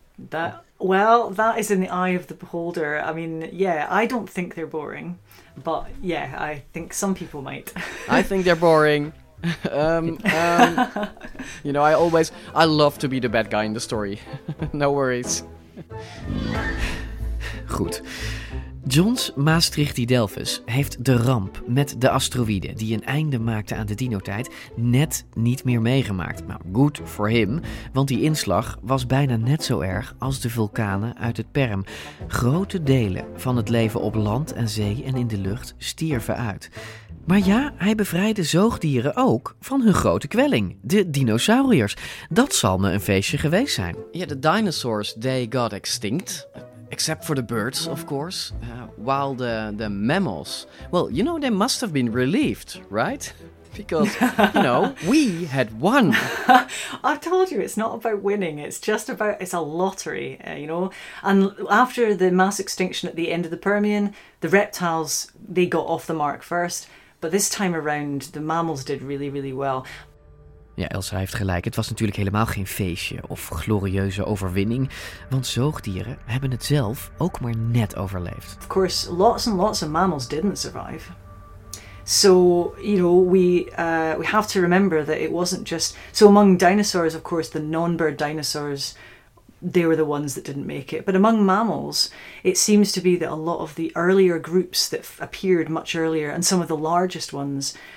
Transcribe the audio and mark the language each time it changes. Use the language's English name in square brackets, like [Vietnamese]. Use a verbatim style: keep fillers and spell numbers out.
[English] That Well, that is in the eye of the beholder. I mean, yeah, I don't think they're boring. But yeah, I think some people might. I think they're boring. um, um, you know, I always, I love to be the bad guy in the story. No worries. [Dutch] Goed. Johns Maastrichtidelphus heeft de ramp met de asteroïde die een einde maakte aan de dinotijd net niet meer meegemaakt. Nou, [English] good for him, [Dutch] want die inslag was bijna net zo erg als de vulkanen uit het Perm. Grote delen van het leven op land en zee en in de lucht stierven uit. Maar ja, hij bevrijdde zoogdieren ook van hun grote kwelling, de dinosauriërs. Dat zal me een feestje geweest zijn. Ja, de [English] dinosaurs, they got extinct. Except for the birds, of course, uh, while the, the mammals, well, you know, they must have been relieved, right? Because, you know, we had won. I've told you, it's not about winning. It's just about, it's a lottery, uh, you know. And after the mass extinction at the end of the Permian, the reptiles, they got off the mark first. But this time around, the mammals did really, really well. [Dutch] Ja, Elsa heeft gelijk. Het was natuurlijk helemaal geen feestje of glorieuze overwinning. Want zoogdieren hebben het zelf ook maar net overleefd. [English] Of course, lots and lots of mammals didn't survive. So, you know, we uh, we have to remember that it wasn't just... So among dinosaurs, of course, the non-bird dinosaurs, they were the ones that didn't make it. But among mammals, it seems to be that a lot of the earlier groups that appeared much earlier, and some of the largest ones...